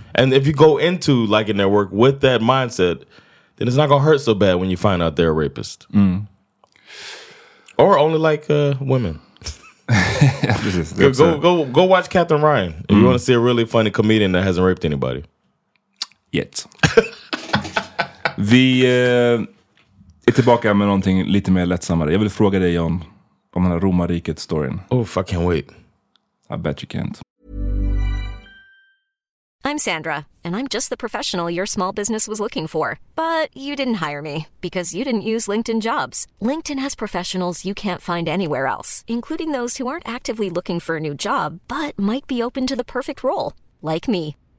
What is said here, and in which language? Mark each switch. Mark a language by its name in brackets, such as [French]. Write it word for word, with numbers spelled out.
[English] And if you go into liking their work with that mindset, then it's not going to hurt so bad when you find out they're a rapist. Mm. Or only like uh, women. just, go, go, go, go watch Catherine Ryan if mm. you want to see a really funny comedian that hasn't raped anybody. Yet. [Swedish] Vi eh, är tillbaka med någonting lite mer lättsammare. Jag vill fråga dig om, om den här Romarriket-storyn. [English] Oh, I can't wait. I bet you can't. I'm Sandra, and I'm just the professional your small business was looking for. But you didn't hire me, because you didn't use LinkedIn Jobs. LinkedIn has professionals you can't find anywhere else, including those who aren't actively looking for a new job, but might be open to the perfect role, like me.